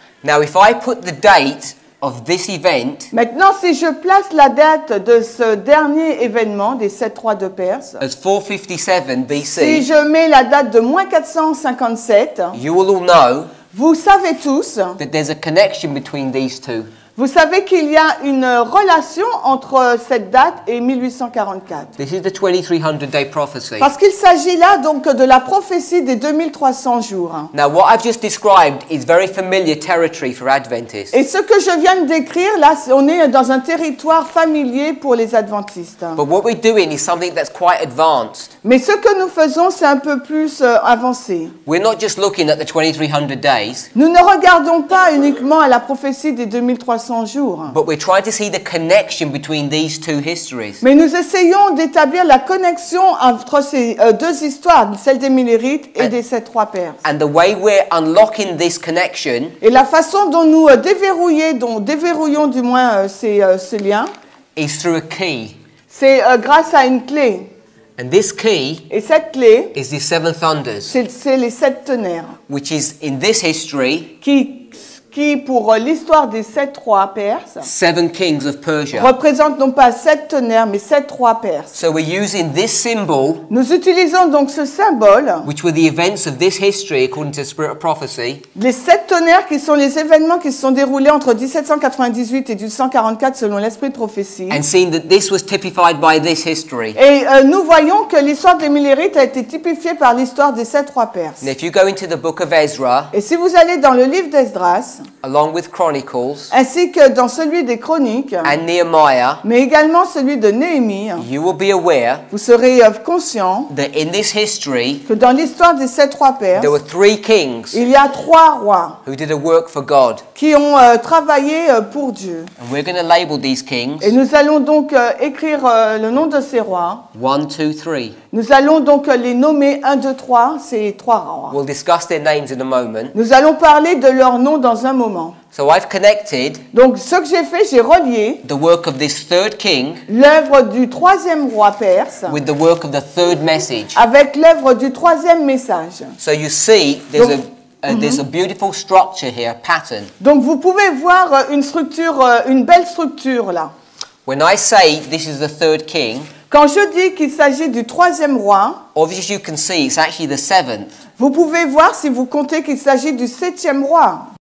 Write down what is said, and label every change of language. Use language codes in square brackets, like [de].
[en] Now, if I put the date of this event, [fr] maintenant, si je place la date de ce dernier événement des sept rois de Perse, [en] as 457 BC, [fr] si je mets la date de moins 457, [en] you will all know, [fr] vous savez tous, [en] that there's a connection between these two. [fr] Vous savez qu'il y a une relation entre cette date et 1844. [en] This is the 2300 day prophecy. [fr] Parce qu'il s'agit là donc de la prophétie des 2300 jours. [en] Now what I've just described is very familiar territory for Adventists. [fr] Et ce que je viens de décrire là, on est dans un territoire familier pour les Adventistes. [en] But what we're doing is something that's quite advanced. [fr] Mais ce que nous faisons, c'est un peu plus avancé. [en] We're not just looking at the 2300 days. [fr] Nous ne regardons pas uniquement à la prophétie des 2300 jours. [en] But we're trying to see the connection between these two histories. [fr] Mais nous essayons d'établir la connexion entre ces deux histoires, celle des Millerites et des sept rois Perses. [en] And the way we're unlocking this connection, [fr] et la façon dont nous déverrouillons du moins ce lien, [en] is through a key. [fr] C'est grâce à une clé. [en] And this key, [fr] et cette clé, [en] is the seven thunders. [fr] C'est les sept tonnerres. [en] Which is in this history, [fr] qui qui, pour l'histoire des sept rois perses, [en] seven kings of Persia, [fr] représente non pas sept tonnerres, mais sept rois perses. [en] So we're using this symbol, [fr] nous utilisons donc ce symbole, [en] which were the events of this history according to the spirit of prophecy, [fr] les sept tonnerres qui sont les événements qui se sont déroulés entre 1798 et 1844 selon l'esprit de prophétie, [en] and seeing that this was typified by this history. [fr] Et nous voyons que l'histoire des Millérites a été typifiée par l'histoire des sept rois perses. [en] Now, if you go into the book of Ezra, [fr] et si vous allez dans le livre d'Esdras, [en] along with Chronicles, [fr] ainsi que dans celui des Chroniques, [en] and Nehemiah, [fr] mais également celui de Néhémie, [en] you will be aware, [fr] vous serez conscient, [en] that in this history, [fr] que dans l'histoire des sept rois perses, [en] there were three kings, [fr] il y a trois rois, [en] who did a work for God, [fr] qui ont travaillé pour Dieu. [en] And we're going to label these kings, [fr] et nous allons donc écrire le nom de ces rois. [en] One, two, three. [fr] Nous allons donc les nommer 1, 2, 3, ces trois rois. [en] We'll discuss their names in a moment. [fr] Nous allons parler de leurs noms dans un moment. [en] So I've connected, [fr] donc ce que j'ai fait, j'ai relié [en] the work of this third king, [fr] l'œuvre du troisième roi perse, [en] with the work of the third message, [fr] avec l'œuvre du troisième message. [en] So you see, there's donc, there's a beautiful structure here, pattern. [fr] Donc vous pouvez voir une structure, une belle structure là. [en] When I say this is the third king, [fr] quand je dis qu'il s'agit du troisième roi, [en] obviously you can see it's actually the seventh. [fr] Vous pouvez voir si vous comptez qu'il s'agit du septième roi.